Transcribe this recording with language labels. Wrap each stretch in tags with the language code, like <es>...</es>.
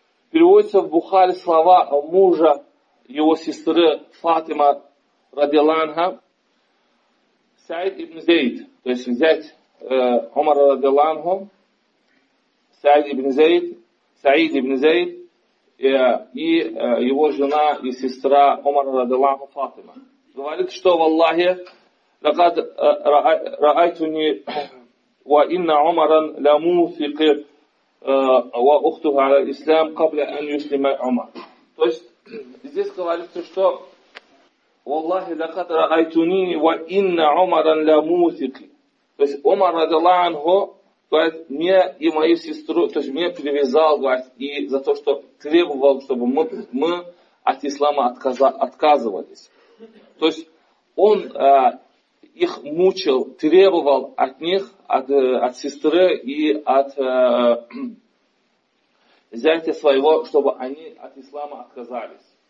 <ru>Переводится в Бухари слова мужа его сестры Фатима радиаллаху анха, Саид ибн Зейд, то есть зять Умара радиаллаху анху, Саид ибн Зейд, и его жена и сестра Умара радиаллаху анху Фатима. Говорит, что в Аллахе</ru> <ar>لقد رأيتني وإن عمرا لموثق وأخته على الإسلام قبل أن يسلم عمر.</ar> <ru>То есть здесь говорится, что</ru> <ar>والله لقد رأيتني وإن عمرا لموثق.</ar> <ru>То есть Умар радиаллаху анху, говорит, мне и мою сестру, то есть меня привязал, говорит, и за то, что требовал, чтобы мы от ислама отказывались. То есть он их мучил, требовал от них, от сестры и от зятя своего, чтобы они от ислама отказались.</ru>